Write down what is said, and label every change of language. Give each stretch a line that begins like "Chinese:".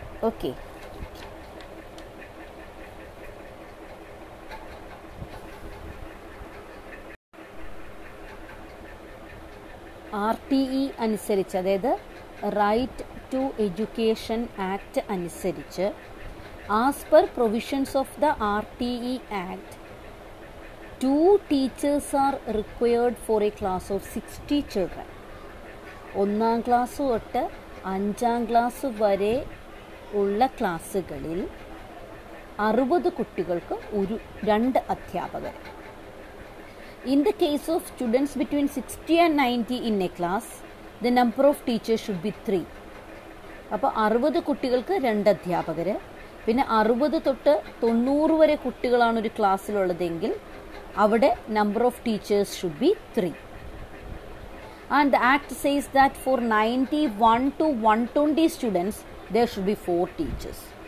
Malayalam: Okay, RTE അനുസരിച്ച്, അതായത് right to education act അനുസരിച്ച്,
English: As per provisions of the RTE act 2 teachers are required for a class of 60 children.
Malayalam: ഒന്നാം class തൊട്ട് അഞ്ചാം class വരെ ഉള്ള ക്ലാസ്സുകളിൽ 60 കുട്ടികൾക്ക് ഒരു 2 അധ്യാപകർ.
English: In the case of students between 60 and 90 in a class, the number of teachers should be 3.
Malayalam: അപ്പോൾ 60 കുട്ടികൾക്ക് 2 അധ്യാപകർ, പിന്നെ 60 തൊട്ട് 90 വരെ കുട്ടികളാണ് ഒരു ക്ലാസ്സിലുള്ളതെങ്കിൽ അവിടെ
English: Number of teachers should be 3. And the act says that for 91 to 120 students there should be 4 teachers.